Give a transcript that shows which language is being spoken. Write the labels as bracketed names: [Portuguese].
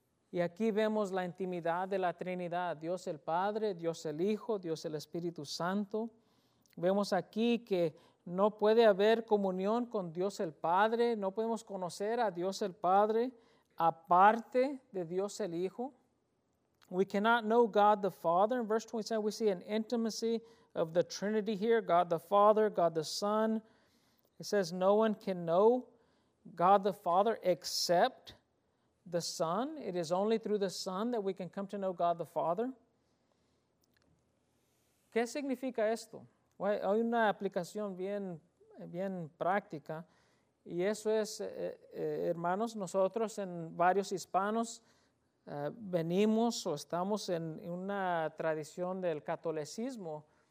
[Spanish] Y aquí vemos la intimidad de la Trinidad: Dios el Padre, Dios el Hijo, Dios el Espíritu Santo. Vemos aquí que no puede haber comunión con Dios el Padre, no podemos conocer a Dios el Padre aparte de Dios el Hijo. [English] We cannot know God the Father. In verse 27, we see an intimacy of the Trinity here: God the Father, God the Son. It says no one can know God the Father except the Son. It is only through the Son that we can come to know God the Father. [Spanish] ¿Qué significa esto? Bueno, hay una aplicación bien práctica. Y eso es, hermanos, nosotros en varios hispanos venimos o estamos en una tradición del catolicismo.